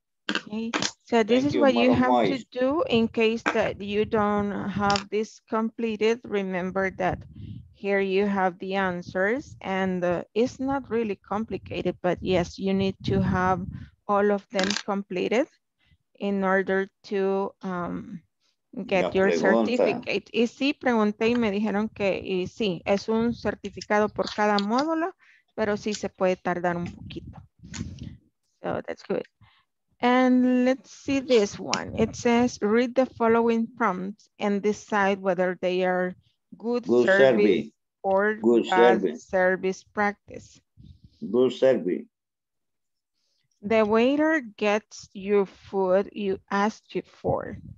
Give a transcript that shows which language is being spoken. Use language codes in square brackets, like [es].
[en] Okay, so this is what you have to do in case that you don't have this completed. Remember that here you have the answers, and it's not really complicated, but yes, you need to have all of them completed in order to get your certificate. [es] Y sí, pregunté y me dijeron que y sí, es un certificado por cada módulo, pero sí se puede tardar un poquito. [en] So that's good. And let's see this one. It says, read the following prompts and decide whether they are good service or good bad service practice. Good service. The waiter gets you food you asked you for.